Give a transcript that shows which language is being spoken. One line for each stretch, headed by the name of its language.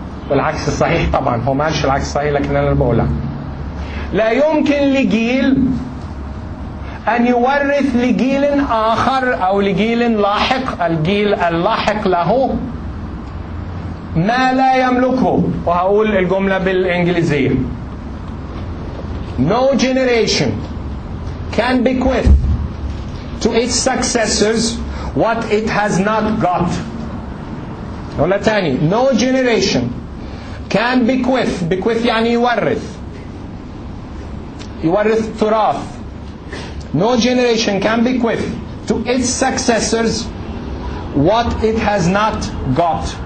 Arabic: والعكس الصحيح طبعا، هو ما قالش العكس الصحيح لكن أنا بقوله، لا يمكن لجيل أن يورث لجيل آخر أو لجيل لاحق، الجيل اللاحق له، ما لا يملكه. وهقول الجملة بالإنجليزية:
English: No generation can bequeath to its successors what it has not got.
Arabic: ولا تاني:
English: No generation
Arabic: كان بكوث، بكوث يعني يورث، يورث تراث.
English: No generation can bequeath to its successors what it has not got.